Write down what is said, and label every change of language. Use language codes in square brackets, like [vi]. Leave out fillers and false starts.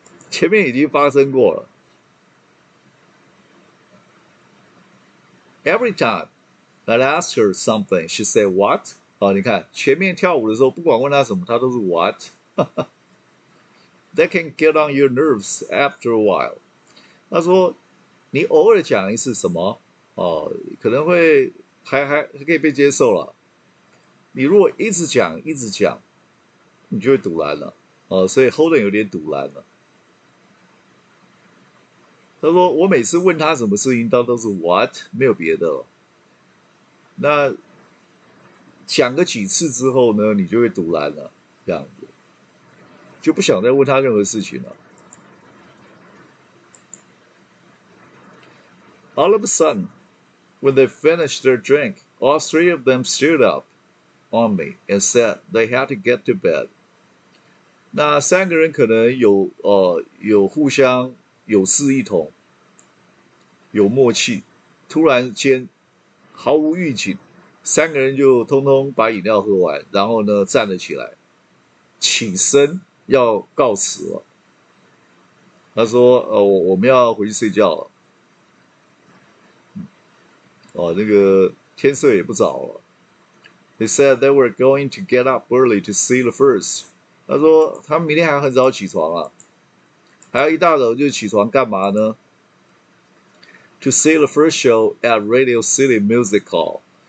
[zh] 前面已经发生过了。 [en] Every time. I'd ask her something. She said, what? [zh] 哦，你看，前面跳舞的时候，不管问她什么，她都是 what? [en] That can get on your nerves after a while. [zh] 她说，你偶尔讲一次什么，哦，可能会还可以被接受了。你如果一直讲，你就会堵拦了。哦，所以 Holden 有点堵拦了。她说，我每次问她什么事情，都是 what? 没有别的了。那讲个几次之后呢，你就会堵拦了，这样子就不想再问他任何事情了。 [en] All of a sudden, when they finished their drink, all three of them stood up on me and said they had to get to bed. [zh] 那三个人可能有互相有事一同，有默契，突然间。毫无预警，三个人就通通把饮料喝完，然后呢站了起来，起身要告辞了。他说：“我们要回去睡觉了。” 哦，那个天色也不早了。 [en] They said they were going to get up early to see the first。 [zh] 他说他们明天还很早起床啊，还要一大早就起床干嘛呢？ [en] To see the first show at Radio City Music Hall.